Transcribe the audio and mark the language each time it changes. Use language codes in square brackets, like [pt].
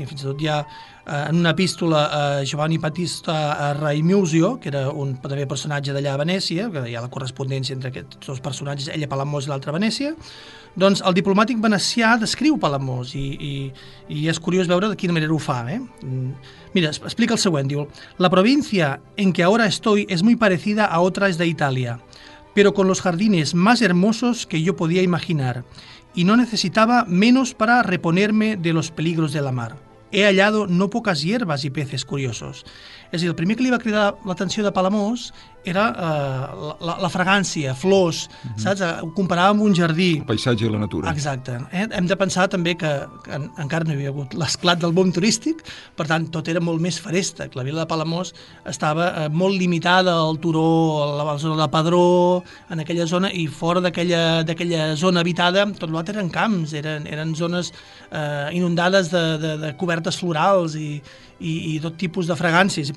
[ca] I fins i tot hi ha en una epístola a Giovanni Battista Raimusio, que era un també personatge d'allà a Venècia, que hi ha la correspondència entre aquests dos personatges, ella Palamós i l'altra Venècia, doncs el diplomàtic venecià descriu Palamós i és curiós veure de quina manera ho fa. Mira, explica el següent, diu: [es] la província en que ahora estoy es muy parecida a otras de Italia, pero con los jardines más hermosos que yo podía imaginar y no necesitaba menos para reponerme de los peligros de la mar. He hallado no pocas hierbas y peces curiosos. [ca] És a dir, el primer que li va cridar l'atenció de Palamós era la fragància, flors, saps? Ho comparava amb un jardí. El paisatge i la natura. Exacte. Hem de pensar també que encara no hi havia hagut l'esclat del boom turístic, per tant, tot era molt més feréstec. La vila de Palamós estava molt limitada al turó, a la zona de Pedró, en aquella zona, i fora d'aquella zona habitada, tot l'altre eren camps, eren zones inundades de cobertes florals i tot tipus de fragàncies.